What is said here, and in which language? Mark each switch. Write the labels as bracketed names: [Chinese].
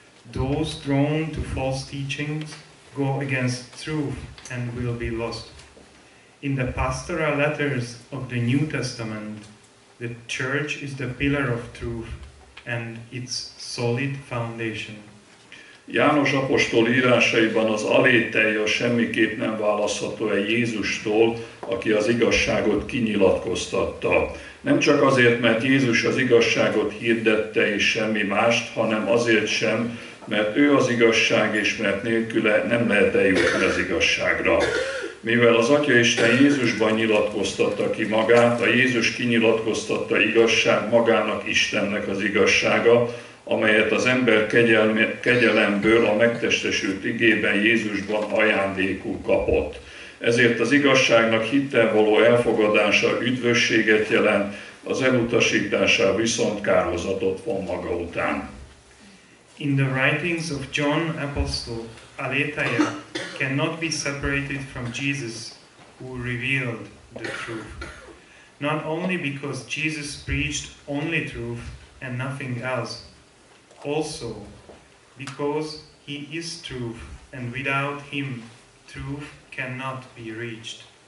[English] Those drawn to false teachings go against truth and will be lost. In the pastoral letters of the New Testament, the church is the pillar of truth and its solid foundation. [Hungarian] János apostol írásaiban az aléteja semmiképp nem választható el Jézustól, aki az igazságot kinyilatkoztatta. Nem csak azért, mert Jézus az igazságot hirdette és semmi mást, hanem azért sem, mert ő az igazság, és mert nélküle nem lehet eljutni az igazságra. Mivel az Atya Isten Jézusban nyilatkoztatta ki magát, a Jézus kinyilatkoztatta igazság magának Istennek az igazsága, amelyet az ember kegyelemből a megtestesült igében Jézusban ajándékul kapott. Ezért az igazságnak hittel való elfogadása üdvösséget jelent, az elutasítása viszont kározatot von maga után. [English] In the writings of John Apostle, aletheia cannot be separated from Jesus, who revealed the truth. Not only because Jesus preached only truth and nothing else, also because he is truth, and without him, truth cannot be reached.